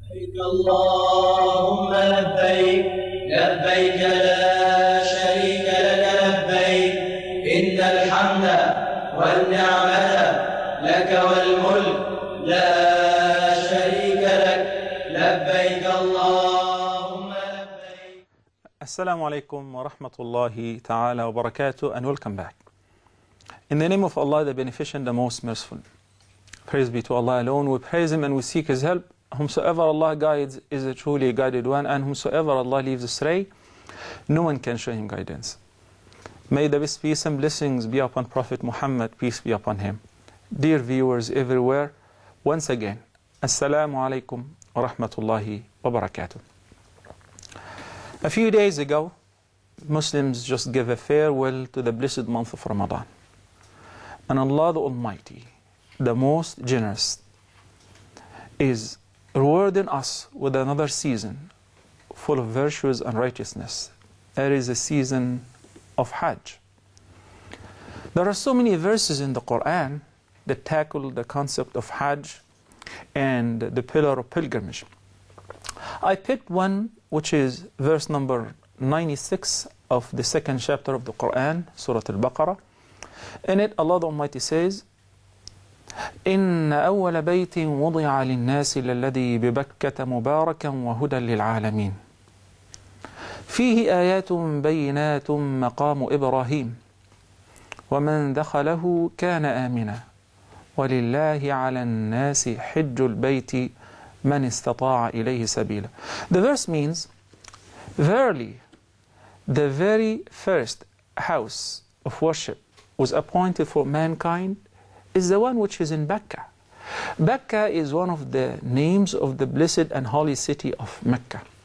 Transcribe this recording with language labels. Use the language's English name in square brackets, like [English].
[Arabic] اللهم لبيك لبيك لا شريك لك لبيك، إن الحمد والنعمة لك والملك لا شريك لك، لبيك اللهم لبيك. السلام عليكم ورحمة الله تعالى وبركاته [English] and welcome back. In the name of Allah, the beneficent, the most merciful. Praise be to Allah alone. We praise Him and we seek His help. Whomsoever Allah guides is a truly guided one, and whomsoever Allah leaves astray, no one can show him guidance. May the best peace and blessings be upon Prophet Muhammad, peace be upon him. Dear viewers everywhere, once again, [Arabic] Assalamu alaikum wa rahmatullahi wa barakatuh. [English] A few days ago, Muslims just gave a farewell to the blessed month of Ramadan. And Allah the Almighty, the most generous, is rewarding us with another season full of virtues and righteousness. There is a season of Hajj. There are so many verses in the Quran that tackle the concept of Hajj and the pillar of pilgrimage. I picked one which is verse number 96 of the second chapter of the Quran, Surah Al-Baqarah. In it, Allah the Almighty says, [Arabic] إِنَّ أَوَّلَ بَيْتٍ وُضِعَ لِلنَّاسِ لَلَّذِي بِبَكَّةَ مُبَارَكًا وَهُدًى لِلْعَالَمِينَ فِيهِ آيَاتٌ بَيِّنَاتٌ مَقَامُ إِبْرَاهِيمَ وَمَنْ دَخَلَهُ كَانَ آمِنًا وَلِلَّهِ عَلَى النَّاسِ حِجُّ الْبَيْتِ مَنْ اسْتَطَاعَ إِلَيْهِ سَبِيلًا. [English] The verse means, verily, the very first house of worship was appointed for mankind is the one which is in Mecca. Mecca is one of the names of the blessed and holy city of Mecca.